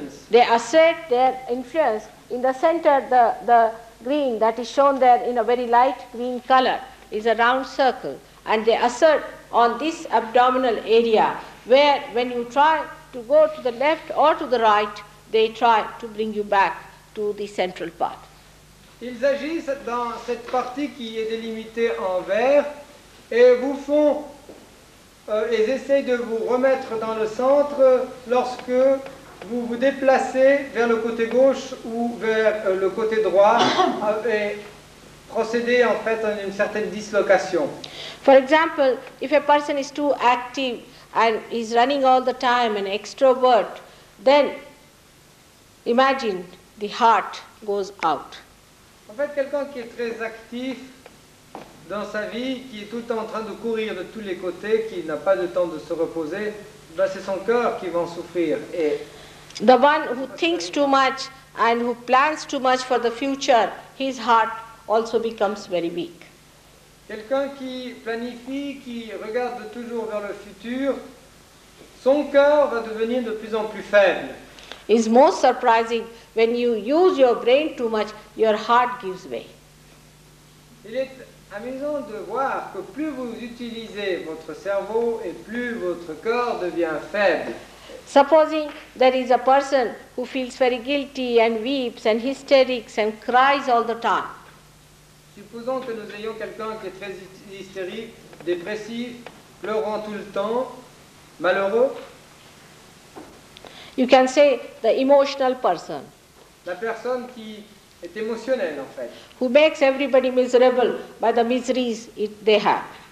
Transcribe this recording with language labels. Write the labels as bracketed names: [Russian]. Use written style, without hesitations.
[English] They assert their influence in the center. The green that is shown there in a very light green color is a round circle, and they assert on this abdominal area where, when you try to go to the left or to the right, they try to bring you back to the central part. [French] Ils agissent dans cette partie qui est délimitée en vert et vous font. Ils essayent de vous remettre dans le centre lorsque vous vous déplacez vers le côté gauche ou vers le côté droit et procéder en fait à une certaine dislocation. [English] For example, if a person is too active and is running all the time, an extrovert, then imagine the heart goes out. [French] En fait, quelqu'un qui est très actif dans sa vie, qui est tout le temps en train de courir de tous les côtés, qui n'a pas de temps de se reposer, ben c'est son cœur qui va en souffrir. Et [English] the one who thinks too much and who plans too much for the future, his heart also becomes very weak. [French] Quelqu'un qui planifie, qui regarde toujours vers le futur, son cœur va devenir de plus en plus faible. [English] It's most surprising when you use your brain too much, your heart gives way. [French] Amusant de voir que plus vous utilisez votre cerveau et plus votre corps devient faible. [English] Supposing there is a person who feels very guilty and weeps and hysterics and cries all the time. [French] Supposons que nous ayons quelqu'un qui est très hystérique, dépressif, pleurant tout le temps, malheureux. [English] You can say the emotional person. [French] La personne qui est émotionnelle, en fait. [English] Who makes everybody miserable by the miseries they have.